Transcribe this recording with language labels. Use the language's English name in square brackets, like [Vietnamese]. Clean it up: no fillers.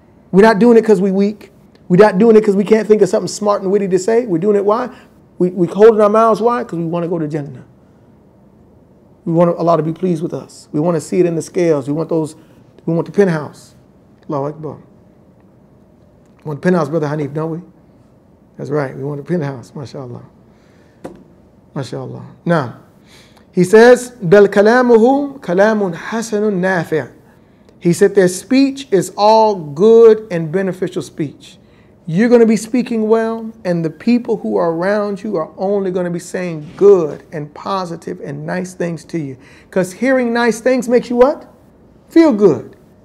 [English] We're not doing it because we're weak. We're not doing it because we can't think of something smart and witty to say. We're doing it why? We're holding our mouths why? Because we want to go to Jannah. We want Allah to be pleased with us. We want to see it in the scales. We want the penthouse. Allahu Akbar. We want the penthouse, Brother Hanif, don't we? That's right. We want the penthouse. MashaAllah. MashaAllah. Now, he says, [Arabic] بَلْ كَلَامُهُمْ كَلَامٌ حَسَنٌ نَافِعٌ. [English] He said their speech is all good and beneficial speech. You're going to be speaking well, and the people who are around you are only going to be saying good and positive and nice things to you. Because hearing nice things makes you what? Feel good.